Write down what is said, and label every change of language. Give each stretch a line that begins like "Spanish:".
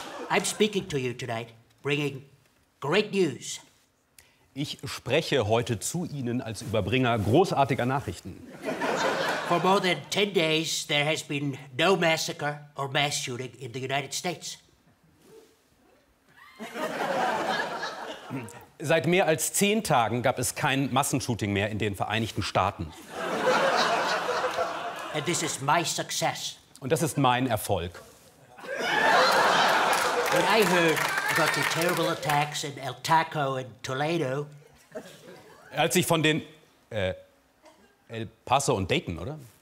English: I'm speaking to you tonight, bringing great news.
German: Ich spreche heute zu Ihnen als Überbringer großartiger Nachrichten.
English: For more than 10 days, there has been no massacre or mass shooting in the United States.
German: Seit mehr als 10 Tagen gab es kein Massenshooting mehr in den Vereinigten Staaten.
English: And this is my success.
German: Und das ist mein Erfolg.
English: When I heard about the terrible attacks in El Paso and Toledo.
German: Als ich von den El Paso und Dayton, oder?